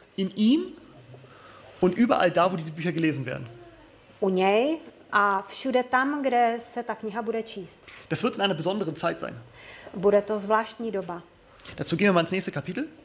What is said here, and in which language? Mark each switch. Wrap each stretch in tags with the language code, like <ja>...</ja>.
<de>In ihm und überall da, wo diese Bücher gelesen werden.</de> <cs>U něj a všude tam, kde se ta kniha bude číst.</cs> <de>Das wird in einer besonderen Zeit sein.</de> <cs>Bude to zvláštní doba.</cs> <de>Dazu gehen wir mal ins nächste Kapitel.</de>